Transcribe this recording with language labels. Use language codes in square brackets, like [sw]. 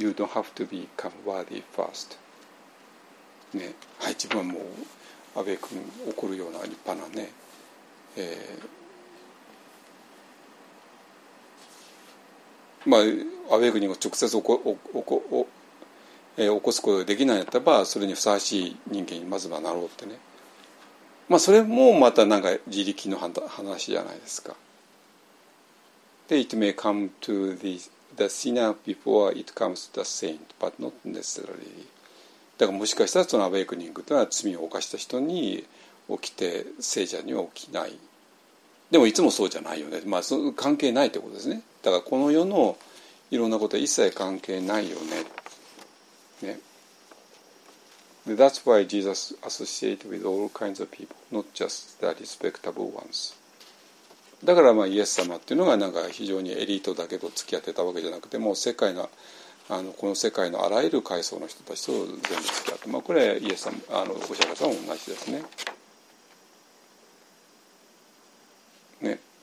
[en] You don't have to become worthy first、 [ja] ね、はい、自分はもうアウェイクニング怒るような立派なね、まあ、アウェイクニングを直接起こすことができないんだったら、それにふさわしい人間にまずはなろうってね。まあ、それもまたなんか自力の話じゃないですか。 [en] で、It may come to the sinner before it comes to the saint, but not necessarily. [ja] だからもしかしたらそのアウェイクニングというのは罪を犯した人に起きて、聖者には起きない。でもいつもそうじゃないよね。まあ、その関係ないということですね。だからこの世のいろんなことは一切関係ないよね。ね。 [en] That's why Jesus associated with all kinds of people, not just the respectable ones. [ja] だからまあイエス様っていうのがなんか非常にエリートだけと付き合ってたわけじゃなくて、もう世界の、あのこの世界のあらゆる階層の人たちと全部付き合って、まあ、これはイエス様、あのお釈迦様も同じですね。ね。